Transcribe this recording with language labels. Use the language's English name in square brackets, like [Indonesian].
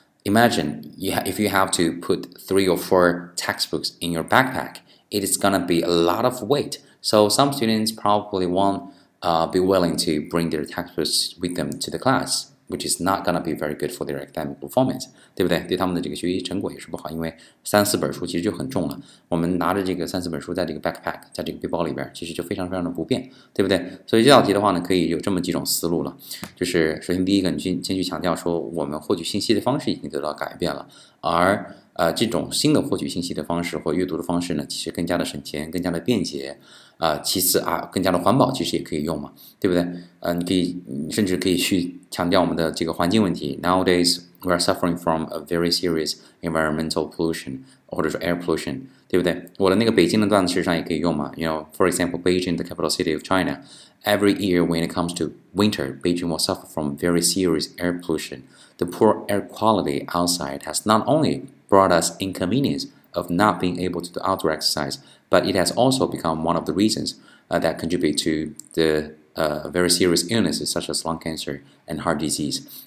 [English] Imagine if you have to put 3 or 4 textbooks in your backpack, it is going to be a lot of weight. So some students probably won't be willing to bring their textbooks with them to the class, which is not going to be very good for their academic performance. [Chinese] 对不对？对他们的这个学习成果也是不好，因为三四本书其实就很重了。我们拿着这个三四本书在这个 backpack, 在这个背包里边，其实就非常非常的不便，对不对？所以这道题的话呢，可以有这么几种思路了。就是首先第一个，你先去强调说我们获取信息的方式已经得到改变了，而这种新的获取信息的方式或阅读的方式呢，其实更加的省钱，更加的便捷。其次啊，更加的环保，其实也可以用嘛，对不对？你可以甚至可以去强调我们的这个环境问题。 [English] Nowadays, we are suffering from a very serious environmental pollution, [Chinese] 或者说 [English] air pollution, [Chinese] 对不对？我的那个北京的段子事实上也可以用嘛。 [English] You know, for example, Beijing, the capital city of China, every year when it comes to winter, Beijing will suffer from very serious air pollution. The poor air quality outside has not only brought us inconvenience of not being able to do outdoor exercise. But it has also become one of the reasons that contribute to the very serious illnesses such as lung cancer and heart disease.